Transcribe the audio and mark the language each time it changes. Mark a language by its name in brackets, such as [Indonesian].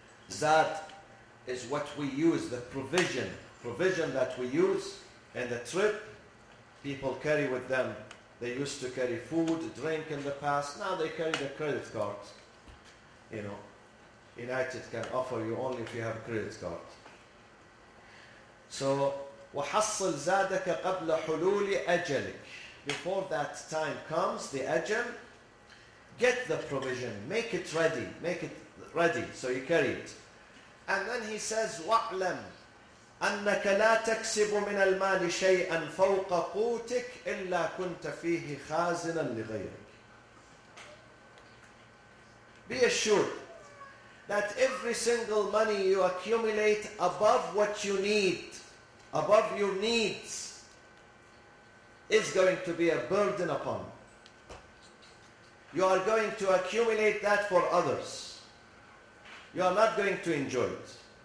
[English] Zad is what we use, the provision that we use in the trip. People carry with them, they used to carry food, drink in the past, now they carry the credit card. You know, United can offer you only if you have a credit card. [Arabic] So, وحصل زادك قبل حلول أجلك. [English] Before that time comes, the ajal, get the provision, make it ready, so you carry it. And then he says, [Arabic] وَعْلَمْ أَنَّكَ لَا تَكْسِبُ مِنَ الْمَالِ شَيْئًا فَوْقَ قُوتِكَ إِلَّا كُنْتَ فِيهِ خَازِنًا لِغَيْرِكَ. [English] Be assured that every single money you accumulate above what you need, above your needs, is going to be a burden upon you. You are going to accumulate that for others. You are not going to enjoy it.